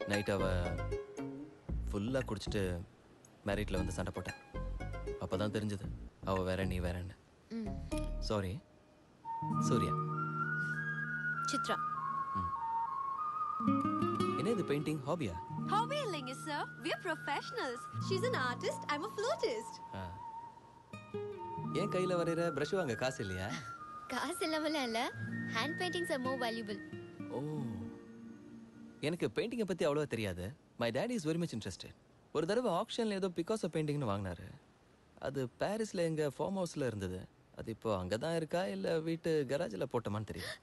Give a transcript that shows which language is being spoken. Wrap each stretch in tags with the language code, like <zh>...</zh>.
<ta>Night அவ ஃபுல்லா குடிச்சிட்டு மேரிட்ல வந்து சண்டை போட்டா. அப்பதான் தெரிஞ்சது அவ வேற நீ வேறன்னு. சாரி சூர்யா. சித்ரா. என்ன இது பெயிண்டிங் ஹாபியா? ஹாபி இல்லங்க sir,</ta> <en>we are professionals. She's an artist, I'm a flutist.</en> <ta>ஏன் கையில வரையற பிரஷ் வாங்க காசு இல்லையா? காசு இல்லவல இல்ல.</ta> <en>Hand paintings are more valuable.</en> <ta>ஓ, எனக்கு பெயிண்டிங்கை பற்றி அவ்வளோ தெரியாது.</ta> <en>My daddy is very much interested.</en> <ta>ஒரு தடவை ஆக்ஷனில் ஏதோ பிகாஸ் ஆஃப் பெயிண்டிங்னு வாங்கினாரு. அது பாரிஸில் எங்கள் ஃபார்ம் ஹவுஸில் இருந்தது. அது இப்போ அங்கே தான் இருக்கா இல்லை வீட்டு கராஜில் போட்டோமான்னு தெரியும்.</ta>